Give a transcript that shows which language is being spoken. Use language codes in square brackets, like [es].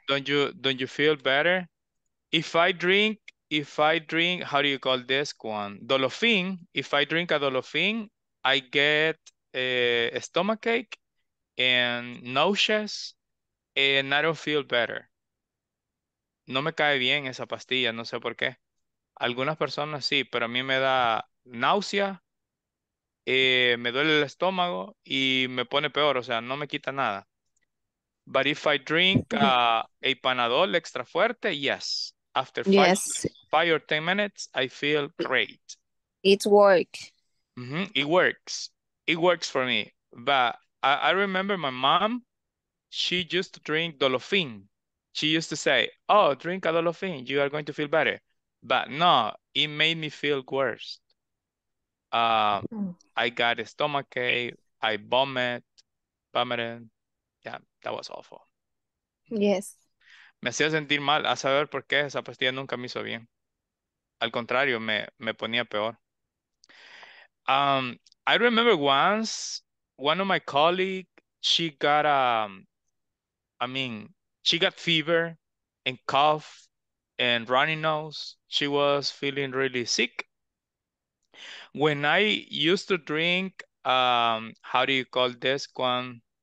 [en] Don't you feel better? If I drink, how do you call this one? Dolofin. If I drink a Dolofin, I get a stomachache and nauseous, and I don't feel better. [es] No me cae bien esa pastilla, no sé por qué. Algunas personas sí, pero a mí me da náusea, me duele el estómago y me pone peor, o sea, no me quita nada. [en] But if I drink a Panadol extra fuerte, yes. After five or 10 minutes, I feel great. It works. Mm-hmm. It works. It works for me. But I remember my mom, she used to drink Dolofin. She used to say, oh, drink a Dolofin, you are going to feel better. But no, it made me feel worse. I got a stomachache, I vomited. Yeah, that was awful. Yes. [es] Me hacía sentir mal, a saber por qué esa pastilla nunca me hizo bien. Al contrario, me ponía peor. [en] I remember once, one of my colleagues, she got she got fever and cough and runny nose. She was feeling really sick. When I used to drink, how do you call this one?